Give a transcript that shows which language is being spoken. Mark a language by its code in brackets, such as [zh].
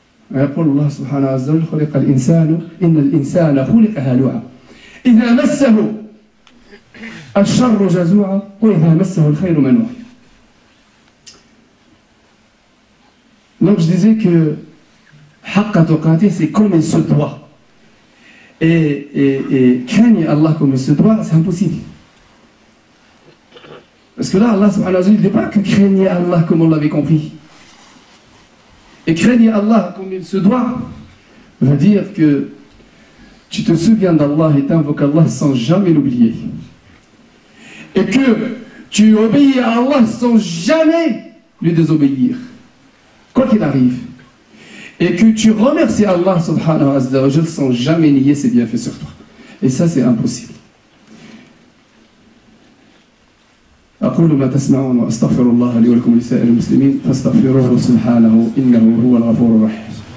[ar] ويقول الله سبحانه عز وجل خلق الإنسان، إن الإنسان خلق هلوعا، إذا مسه الشر جزوعا وإذا مسه الخير منوعا. [fr] Donc je disais que [ar] حق تقاته [fr] c'est comme il se doit. Et craigne Allah comme il se doit, c'est impossible. Parce que là, Allah subhanahu wa ta'ala, il ne dit pas que craignez Allah comme on l'avait compris. Et craignez Allah comme il se doit veut dire que tu te souviens d'Allah et t'invoques Allah sans jamais l'oublier. Et que tu obéis à Allah sans jamais lui désobéir, quoi qu'il arrive. Et que tu remercies Allah subhanahu wa ta'ala sans jamais nier ses bienfaits sur toi. Et ça, c'est impossible. [ar] أقول ما تسمعون وأستغفر الله لي ولكم لسائر المسلمين فاستغفروه سبحانه إنه هو الغفور الرحيم.